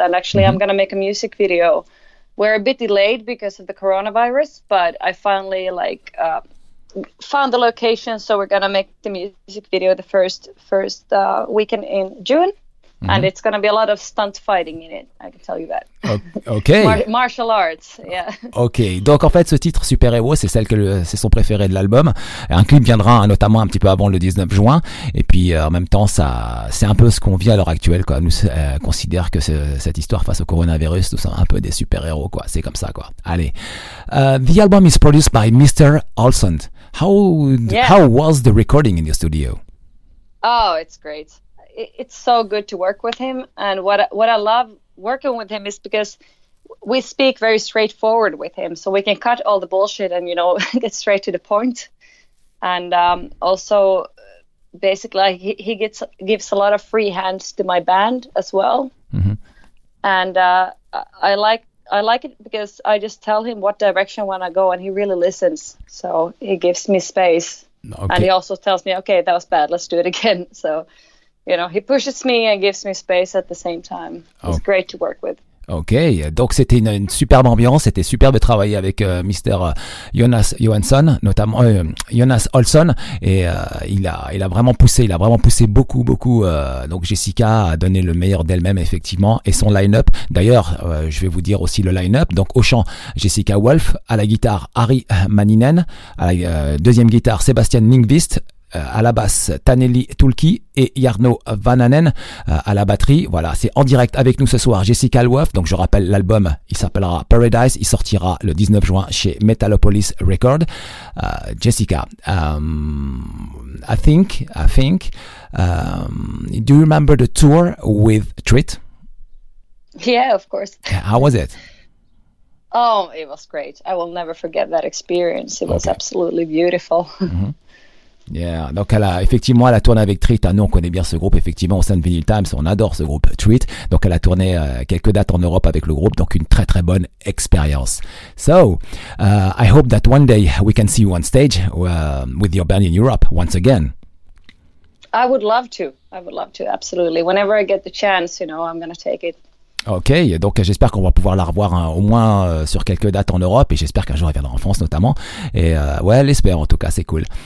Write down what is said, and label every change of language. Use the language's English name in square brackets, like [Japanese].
[English] And actually, mm-hmm. I'm going to make a music video. We're a bit delayed because of the coronavirus, but I finally found the location. So we're going to make the music video the first weekend in June. Mm-hmm. And it's going to be a lot of stunt fighting in it, I can tell you that. Okay. Martial arts, yeah. [French] Okay, donc en fait, ce titre, Super Hero, c'est son préféré de l'album. Un clip viendra notamment un petit peu avant le 19 juin. Et puis en même temps, ça, c'est un peu ce qu'on vit à l'heure actuelle, quoi. Nous considère que cette histoire face au coronavirus, nous sommes un peu des super-héros, quoi. C'est comme ça, quoi. Allez. [English] The album is produced by Mr. Olson. How was the recording in your studio? Oh, it's great. It's so good to work with him, and what I love working with him is because we speak very straightforward with him, so we can cut all the bullshit and, you know, get straight to the point. And also, basically, he gives a lot of free hands to my band as well. Mm-hmm. And I like it because I just tell him what direction I want to go, and he really listens, so he gives me space. Okay. And he also tells me, okay, that was bad, let's do it again. So, you know, he pushes me and gives me space at the same time. It's great to work with. [French] Okay, donc c'était une superbe ambiance, c'était superbe de travailler avec Mr. Jonas Johansson, notamment Jonas Olsson, et il a vraiment poussé beaucoup, donc Jessica a donné le meilleur d'elle-même effectivement, et son line-up, d'ailleurs je vais vous dire aussi le line-up, donc au chant Jessica Wolf, à la guitare Harry Manninen, à la deuxième guitare Sébastien Lindqvist, à la basse Taneli Tulki et Jarno Vananen à la batterie. Voilà, c'est en direct avec nous ce soir Jessica Wolf. Donc je rappelle, l'album, il s'appellera Paradise, il sortira le 19 juin chez Metalopolis Record. [English] Jessica, do you remember the tour with Treat? Yeah, of course. How was it? Oh, it was great. I will never forget that experience. It was absolutely beautiful. Mm-hmm. [French] Yeah, donc elle a tourné avec Treat. Nous, on connaît bien ce groupe, effectivement, au sein de Vinyl Times. On adore ce groupe, Treat. Donc, elle a tourné quelques dates en Europe avec le groupe. Donc, une très, très bonne expérience. [English] So, I hope that one day we can see you on stage with your band in Europe once again. I would love to. I would love to, absolutely. Whenever I get the chance, you know, I'm going to take it. [French] Ok, donc j'espère qu'on va pouvoir la revoir au moins sur quelques dates en Europe, et j'espère qu'un jour elle viendra en France notamment. Et ouais, l'espère en tout cas, c'est cool.